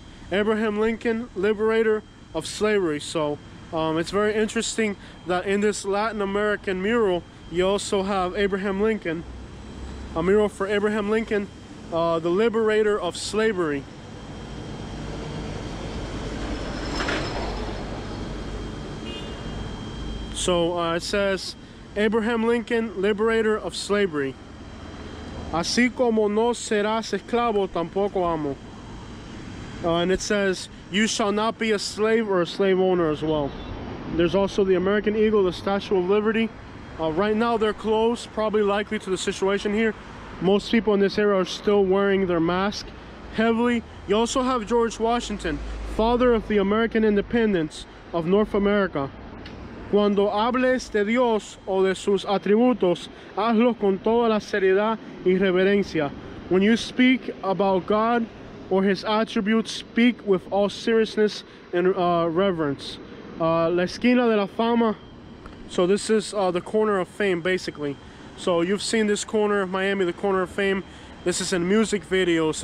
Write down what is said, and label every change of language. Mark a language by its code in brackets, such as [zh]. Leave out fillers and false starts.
[en] Abraham Lincoln, liberator of slavery. So it's very interesting that in this Latin American mural, you also have Abraham Lincoln, a mural for Abraham Lincoln, the liberator of slavery. So it says, Abraham Lincoln, liberator of slavery. [es] Así como no serás esclavo, tampoco amo. [en] And it says, you shall not be a slave or a slave owner as well. There's also the American Eagle, the Statue of Liberty. Right now they're closed, probably likely to the situation here. Most people in this area are still wearing their mask heavily. You also have George Washington, father of the American independence of North America. [es] Cuando hables de Dios o de sus atributos, hazlo con toda la seriedad y reverencia. [en] When you speak about God or his attributes, speak with all seriousness and reverence. La esquina de la fama. So this is the corner of fame, basically. So you've seen this corner of Miami, the corner of fame. This is in music videos.